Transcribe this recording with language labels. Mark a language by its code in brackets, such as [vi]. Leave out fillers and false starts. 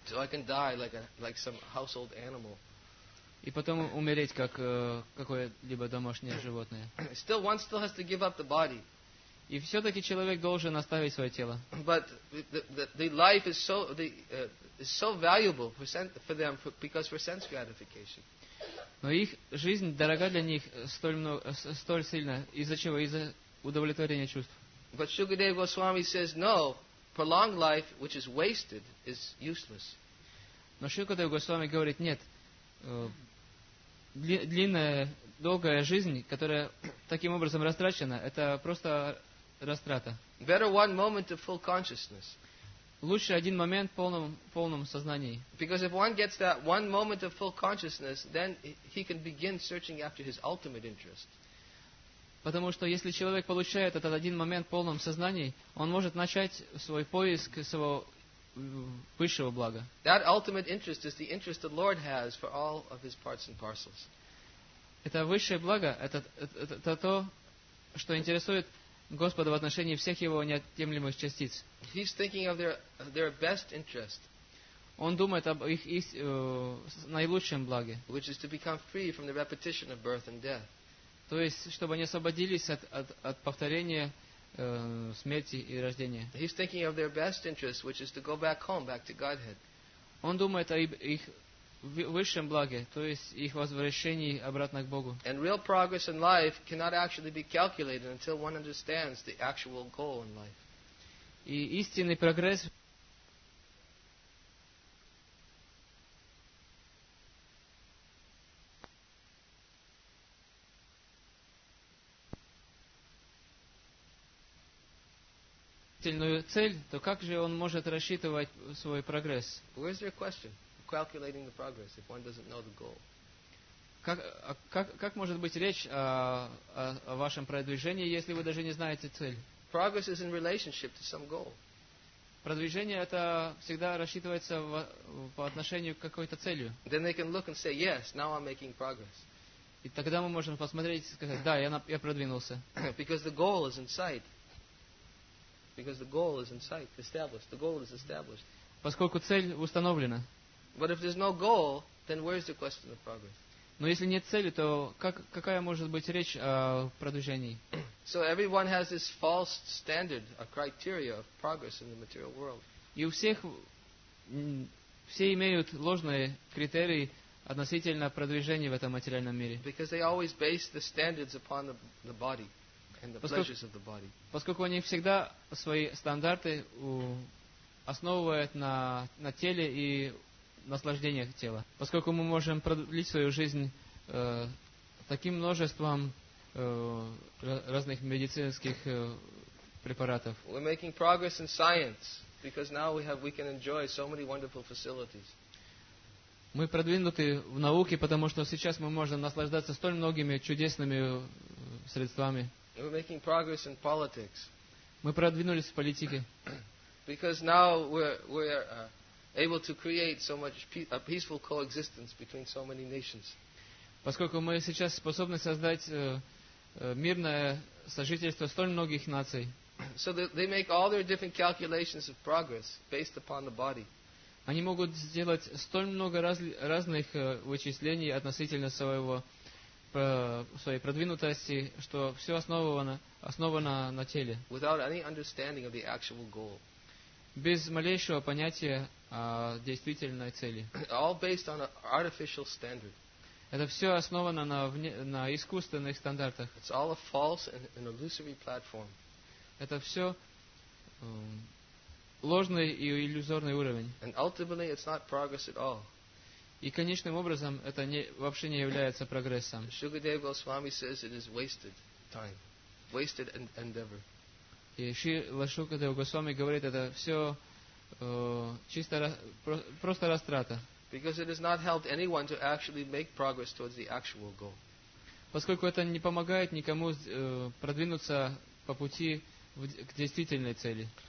[en] So I can die like some household animal. [ru] И потом умереть как какое-либо домашнее животное. [en] Still, one still has to give up the body. [ru] И все-таки человек должен оставить свое тело. [en] But the life is so is so valuable for them because for sense gratification. [ru] Но их жизнь дорога для них столь сильно из-за чего? Из-за удовлетворения чувств. [en] But Shukadeva Goswami says, no, prolonged life, which is wasted, is useless. [ru] Но Шукадева Госвами говорит, нет, длинная, долгая жизнь, которая таким образом растрачена, это просто растрата. [en] Better one moment of full consciousness. [ru] Лучше один момент в полном сознании. [en] Because if one gets that one moment of full consciousness, then he can begin searching after his ultimate interest. [ru] Потому что если человек получает этот один момент в полном сознании, он может начать свой поиск своего высшего блага. [en] That ultimate interest is the interest the Lord has for all of his parts and parcels. [ru] Это высшее благо, это то, что интересует Господа в отношении всех его неотъемлемых частиц. [en] He's thinking of their best interest. [ru] Он думает об их наилучшем благе. [en] Which is to become free from the repetition of birth and death. [ru] То есть, чтобы они освободились от повторения смерти и рождения. [en] He's thinking of their best interest, which is to go back home, back to Godhead. [ru] Он думает о их высшем благе, то есть их возвращении обратно к Богу. [en] And real progress in life cannot actually be calculated until one understands the actual goal in life. [ru] И истинный прогресс. Цель, то как же он может рассчитывать свой прогресс? [en] Where's your question? Calculating the progress if one doesn't know the goal. [ru] Как может быть речь о вашем продвижении, если вы даже не знаете цель? [en] Progress is in relationship to some goal. [ru] Продвижение это всегда рассчитывается по отношению к какой-то целью. [en] Then they can look and say, yes, now I'm making progress. [ru] И тогда мы можем посмотреть и сказать, да, я продвинулся. [en] Because the goal is in sight. Because the goal is in sight, established. The goal is established. [ru] Поскольку цель установлена. [en] But if there's no goal, then where is the question of progress? [ru] Но если нет цели, то как, какая может быть речь о продвижении? [en] So everyone has this false standard, a criteria of progress in the material world. [ru] И у всех все имеют ложные критерии относительно продвижения в этом материальном мире. [en] Because they always base the standards upon the body and the pleasures of the body. [ru] Поскольку они всегда свои стандарты основывают на теле и наслаждениях тела. Поскольку мы можем продлить свою жизнь таким множеством разных медицинских препаратов. [en] We're making progress in science because now we can enjoy so many wonderful facilities. [ru] Мы продвинуты в науке, потому что сейчас мы можем наслаждаться столь многими чудесными средствами. [en] We're making progress in politics. [ru] Мы продвинулись в политике. [en] Because now we're able to create so much a peaceful coexistence between so many nations. [ru] Поскольку мы сейчас способны создать мирное сожительство столь многих наций. [en] So they make all their different calculations of progress based upon the body. [ru] Они могут сделать столь много разных вычислений относительно своей продвинутости, что все основано на теле. [en] Without any understanding of the actual goal. [ru] Без малейшего понятия о действительной цели. [en] All based on an artificial standard. [ru] Это все основано на искусственных стандартах. [en] It's all a false and illusory platform. [ru] Это все ложный и иллюзорный уровень. [en] And ultimately, it's not progress at all. [ru] И конечным образом это вообще не является прогрессом. [en] Шукадева Госвами says it is wasted time, wasted endeavor. [ru] И Шрила Шукадева Госвами говорит, это все чисто просто растрата. [en] Because it has not helped anyone to actually make progress towards the actual goal. [ru] Поскольку это не помогает никому продвинуться по пути к действительной цели.